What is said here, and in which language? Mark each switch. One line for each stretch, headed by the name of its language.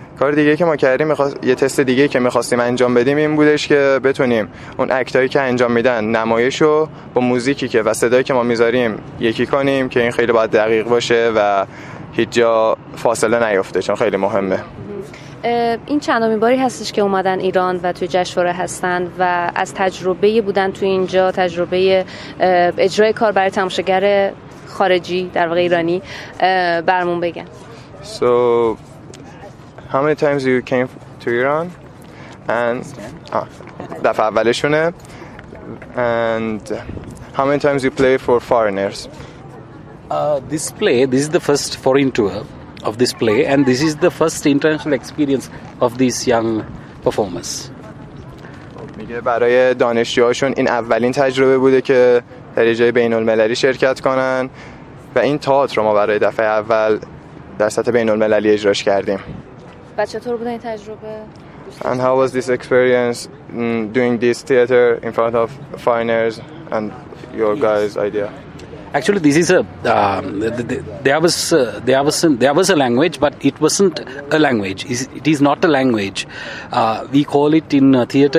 Persian: کار دیگه که ما کردیم یه تست دیگه که می‌خواستیم انجام بدیم این بودش که بتونیم اون اکتایی که انجام میدن نمایشو با موزیکی که و صدایی که ما می‌ذاریم یکی کنیم، که این خیلی باید دقیق باشه و هیچ جا فاصله نیفته چون خیلی مهمه. این چندمین باری هستش که اومدن ایران و توی جشنواره هستن و از تجربه بودن توی اینجا، تجربه اجرای کار برای تماشاگر خارجی در واقع ایرانی برمون بگن.
English: So how many times you came to Iran and
Persian: دفعه اولشونه
English: and how many times you play for foreigners? This is the first foreign tour of this play, and this is the first international experience of these young performers.
Persian: میگه برای دانشجوهاشون این اولین تجربه بوده که در جای بین المللی شرکت کنن و این تئاتر رو ما برای دفعه اول در سطح بین المللی اجراش کردیم. و چطور بوده این تجربه؟
English: And how was this experience doing this theater in front of foreigners and your guys' idea? Actually, this is a there was a language, but it wasn't a language. It is not a language. We call it in theater.